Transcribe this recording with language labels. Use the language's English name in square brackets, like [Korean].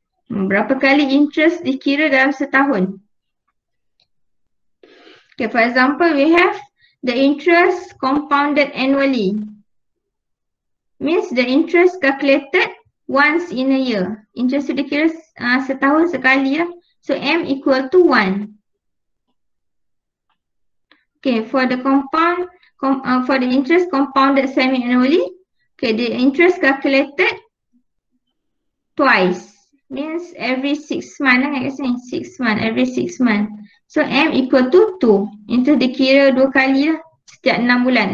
[Malay] Berapa kali [English] interest [Malay] dikira dalam setahun? [English] Okay, for example, we have the interest compounded annually. Means the interest calculated once in a year. Interest [Malay] itu dikira setahun sekali ya. [English] So, M equal to 1. Okay, for the compound, for the interest compounded semi-annually, okay, the interest calculated twice. Means every 6 months, 6 months, every 6 months. So M equal to 2. [Malay] Itu dikira dua kali lah, setiap 6 bulan.